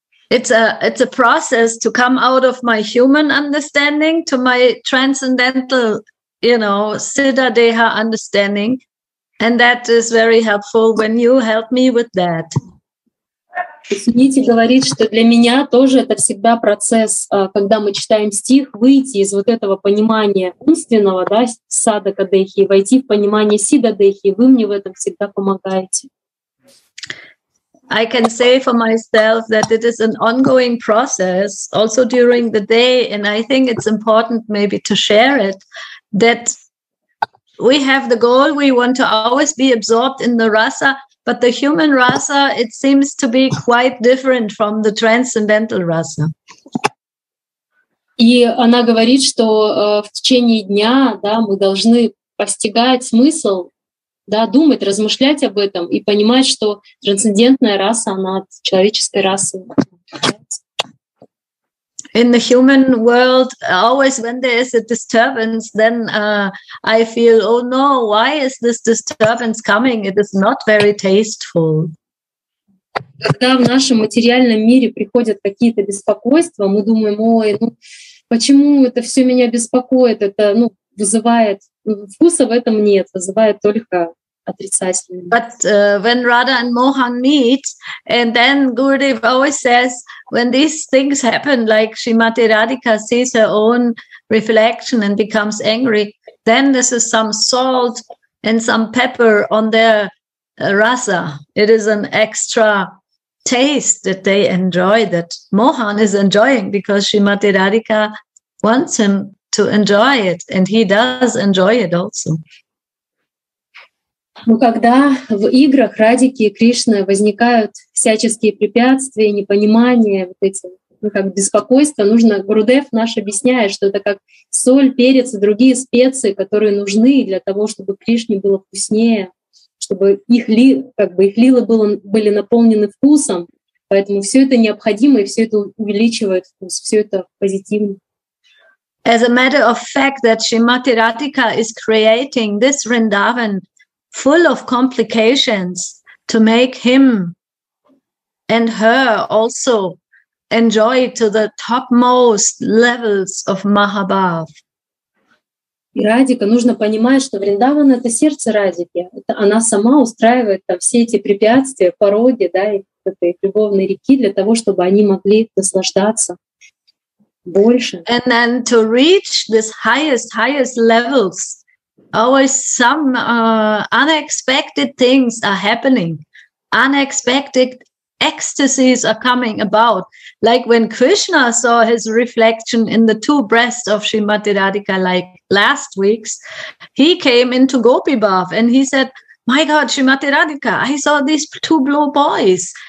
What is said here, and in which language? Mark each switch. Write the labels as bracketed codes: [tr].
[en] It's a process to come out of my human understanding to my transcendental, you know, siddha deha understanding. And that is very helpful when you help me with that. [ru] Суньити говорит, что для меня тоже это всегда процесс, когда мы читаем стих, выйти из вот этого понимания умственного, да, садака дэхи, войти в понимание сида дэхи. Вы мне в этом всегда помогаете. [en] I can say for myself that it is an ongoing process, also during the day, and I think it's important maybe to share it, that we have the goal, we want to always be absorbed in the rasa, but the human rasa, it seems to be quite different from the transcendental rasa. [ru] И она говорит, что в течение дня, да, мы должны постигать смысл, да, думать, размышлять об этом и понимать, что трансцендентная раса, она от человеческой расы. [en] In the human world, always when there is a disturbance, then I feel, oh no, why is this disturbance coming? It is not very tasteful. [ru] Когда в нашем материальном мире приходят какие-то беспокойства, мы думаем, ой, ну почему это все меня беспокоит? Это, ну, вызывает, вкуса в этом нет, вызывает только отрицательное. [en] But when Radha and Mohan meet, and then Gurudev always says, when these things happen, like Srimati Radhika sees her own reflection and becomes angry, then this is some salt and some pepper on their rasa. It is an extra taste that they enjoy, that Mohan is enjoying, because Srimati Radhika wants him to enjoy it, and he does enjoy it also. [ru] Но когда в играх Радики и Кришны возникают всяческие препятствия, непонимания, вот эти, ну, как беспокойство, нужно, Гурудев наш объясняет, что это как соль, перец и другие специи, которые нужны для того, чтобы Кришне было вкуснее, чтобы их, ли, как бы их лилы было, были наполнены вкусом. Поэтому все это необходимо, и все это увеличивает вкус, все это позитивно. [en] As a matter of fact, that Srimati Radhika is creating this Vrindavan full of complications to make him and her also enjoy to the topmost levels of Mahabhav. [ru] И Радика, нужно понимать, что Вриндаван — это сердце Радики. Это она сама устраивает там все эти препятствия, пороги, да, этой любовной реки для того, чтобы они могли наслаждаться больше. [en] And then to reach this highest levels, always some unexpected things are happening. Unexpected ecstasies are coming about. Like when Krishna saw his reflection in the two breasts of Srimati Radhika, like last week's, he came into Gopi Bhav and he said, my God, Srimati Radhika, I saw these two blue boys.